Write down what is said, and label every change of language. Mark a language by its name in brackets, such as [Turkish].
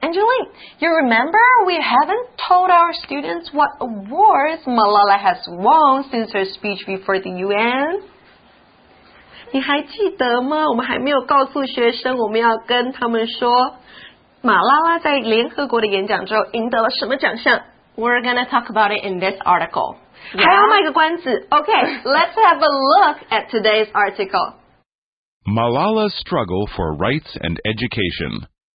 [English] Angeline, you remember we haven't told our students what awards Malala has won since her speech before the UN? [Chinese] 你还记得吗？我们还没有告诉学生我们要跟他们说马拉拉在联合国的演讲之后赢得了什么奖项。 [English] We're going to talk about it in this article. [Chinese] 还要卖个关子。 [English] Okay, let's have a look at today's article. Malala's Struggle for Rights and Education.